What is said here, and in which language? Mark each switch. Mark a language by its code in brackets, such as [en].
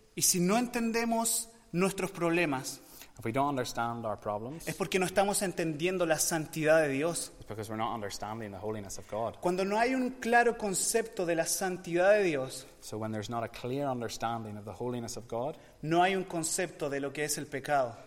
[es] Y si no entendemos nuestros problemas, [en] if we don't understand our problems, [es] es porque no estamos entendiendo la santidad de Dios. [en] It's because we're not understanding the holiness of God. [es] Cuando no hay un claro concepto de la santidad de Dios, [en] so when there's not a clear understanding of the holiness of God, [es] no hay un concepto de lo que es el pecado.